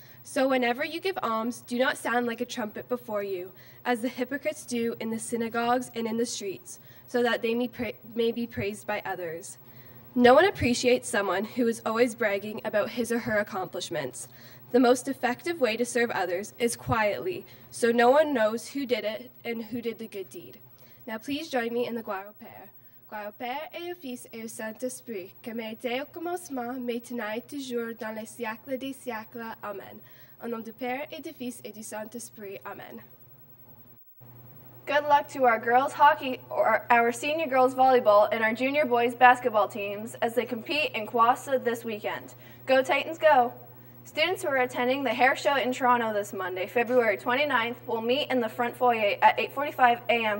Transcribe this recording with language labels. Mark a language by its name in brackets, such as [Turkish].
[English] So whenever you give alms, do not sound like a trumpet before you, as the hypocrites do in the synagogues and in the streets, so that they may be praised by others. No one appreciates someone who is always bragging about his or her accomplishments. The most effective way to serve others is quietly, so no one knows who did it and who did the good deed. Now please join me in the Gloire au Père. [French] Gloire au Père et au Fils et au Saint-Esprit, comme il était au commencement, maintenant et toujours, dans les siècles des siècles. Amen. Au nom du Père et du Fils et du Saint-Esprit. Amen. [English] Good luck to our girls hockey, or our senior girls volleyball, and our junior boys basketball teams as they compete in Kwasa this weekend. Go Titans, go! Students who are attending the hair show in Toronto this Monday, February 29th, will meet in the front foyer at 8:45 a.m.